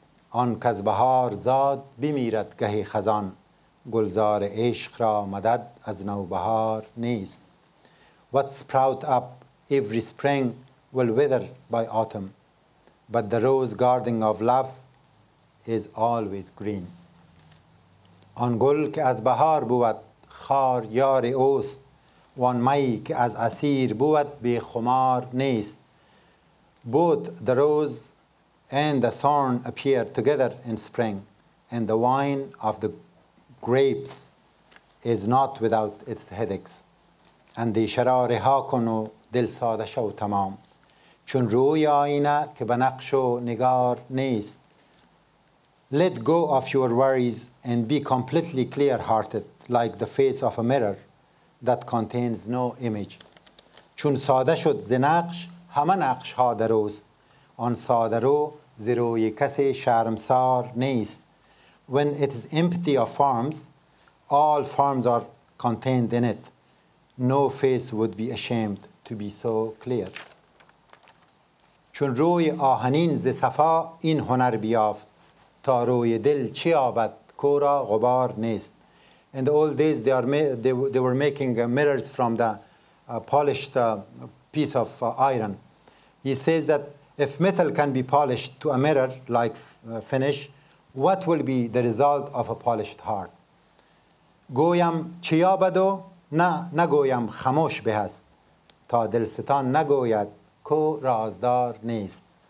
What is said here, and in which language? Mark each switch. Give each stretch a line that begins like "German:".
Persian: آن کز بهار زاد بمیرد گهی خزان گلزار عشق را مدد از نو بهار نیست.
English: What sprout up every spring will wither by autumn, but the rose garden of love is always green.
Persian: آن گل که از بهار بود خار یار اوست وان مایی که از عصیر بود بی خمار نیست.
English: Both the rose and the thorn appear together in spring, and the wine of the grapes is not without its headaches.
Persian: اندیشه را رها کن و دل ساده شو تمام چون روی آینه که به نقش و نگار نیست.
English: Let go of your worries and be completely clear-hearted like the face of a mirror that contains no image.
Persian: چون ساده شد ز نقش همه نقش ها دروست آن ساده رو ز روی کسی شرمسار نیست.
English: When it is empty of forms, all forms are contained in it. No face would be ashamed to be so clear.
Persian: چون روی آهنین ز صفا این هنر بیافت تا روی دل چی آبد کورا غبار نیست.
English: In the old days, they were making mirrors from the polished piece of iron. He says that if metal can be polished to a mirror like finish, what will be the result of a polished heart?
Persian: گویم چیا بدو نه نگویم خاموش به است تا دلستان نگوید کو رازدار نیست.